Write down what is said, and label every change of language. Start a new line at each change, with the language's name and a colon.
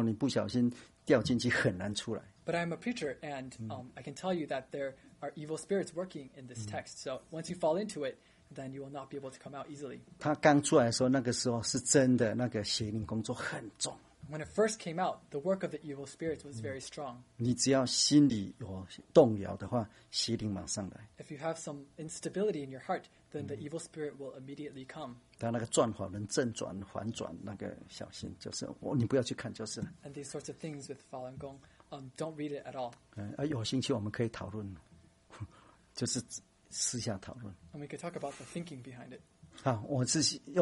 Chinese: 但我是传道做个结论，它里面有很重的邪淫的工作。如果你不小心掉进去，很难出来。
English: But I'm a preacher, and I can tell you that there are evil spirits working in this text. So once you fall into it, then you will not be able to come out easily.
Chinese: 他刚出来的时候，那个时候是真的，那个邪淫工作很重。
English: When it first came out, the work of the evil spirits was very strong.
Chinese: 你只要心里有动摇的话，邪灵马上来。
English: If you have some instability in your heart, then the evil spirit will immediately come.
Chinese: 当那个转法轮正转反转，那个小心，就是我，你不要去看就是了。
English: And these sorts of things with Falun Gong, don't read it at all.
Chinese: 有兴趣我们可以讨论，就是私下讨论。
English: And we could talk about the thinking behind it.